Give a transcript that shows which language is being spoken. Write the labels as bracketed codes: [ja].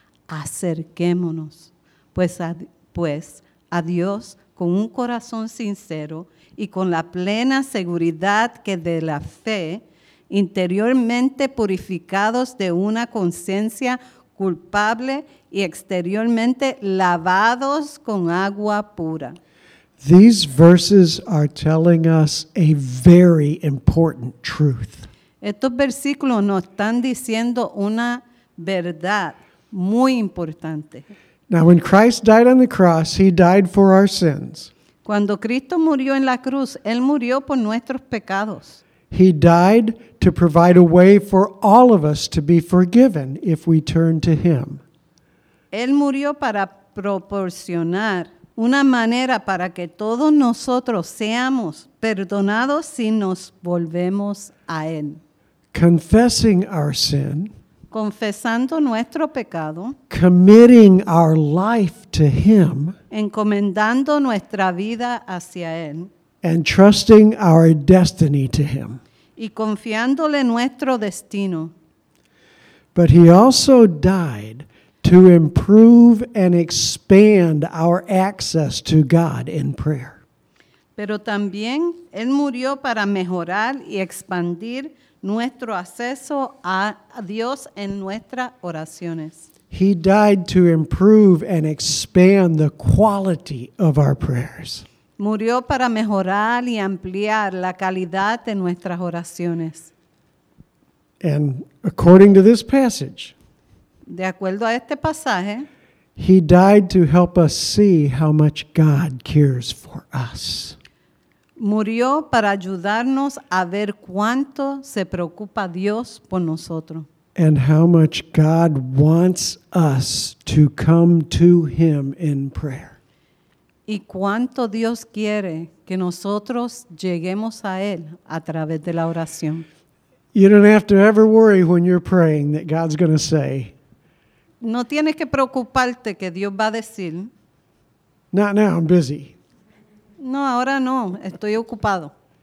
[es] Acerquémonos, pues a Dios con un corazón sincero y con la plena seguridad que de la fe, interiormente purificados de una conciencia culpable y exteriormente lavados con agua pura. [en] These verses are telling us a very important truth. [es] Estos versículos nos están diciendo una verdad muy importante. [en] Now, when Christ died on the cross, he died for our sins. [es] Cuando Cristo murió en la cruz, él murió por nuestros pecados. [en] He died to provide a way for all of us to be forgiven if we turn to him. [es] Él murió para proporcionar una manera para que todos nosotros seamos perdonados si nos volvemos a él. [en] Confessing our sin, [es] confesando nuestro pecado, [en] committing our life to him, [es] encomendando nuestra vida hacia él, [en] and trusting our destiny to him, [es] y confiándole nuestro destino. [en] But he also died to improve and expand our access to God in prayer. [es] Pero también él murió para mejorar y expandir nuestro acceso a Dios en nuestras oraciones. [en] He died to improve and expand the quality of our prayers. [es] Murió para mejorar y ampliar la calidad de nuestras oraciones. [en] And according to this passage, [es] de acuerdo a este pasaje, [en] he died to help us see how much God cares for us. [es] Murió para ayudarnos a ver cuánto se preocupa Dios por nosotros. [en] And how much God wants us to come to him in prayer. [es] Y cuánto Dios quiere que nosotros lleguemos a él a través de la oración. [en] You don't have to ever worry when you're praying that God's going to say, [es] No tienes que preocuparte que Dios va a decir. [en] Not now, I'm busy. [es] No, ahora no, estoy ocupado.